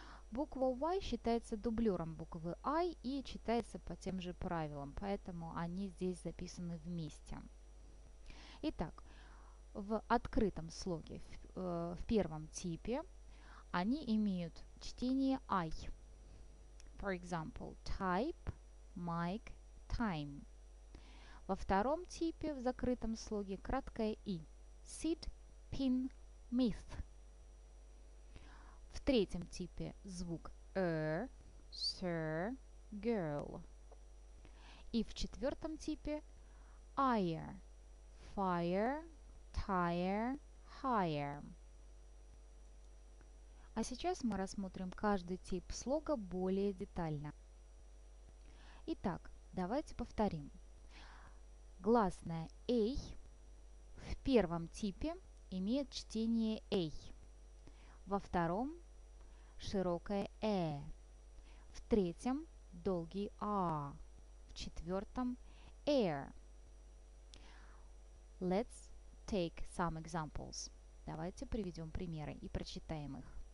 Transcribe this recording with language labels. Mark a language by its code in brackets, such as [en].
[ru] Буква Y считается дублером буквы I и читается по тем же правилам, поэтому они здесь записаны вместе. Итак, в открытом слоге, в первом типе, они имеют чтение I. [en] For example, type, mic, time. [ru] Во втором типе, в закрытом слоге, краткое I. [en] Sit, pin, myth. [ru] В третьем типе звук er, [en] sir, girl. [ru] И в четвертом типе ire, [en] fire, tire, hire. [ru] А сейчас мы рассмотрим каждый тип слога более детально. Итак, давайте повторим. Гласная A в первом типе имеет чтение A. Во втором широкое «э», в третьем – долгий «а», в четвертом – «эр». [en] Let's take some examples. [ru] Давайте приведем примеры и прочитаем их.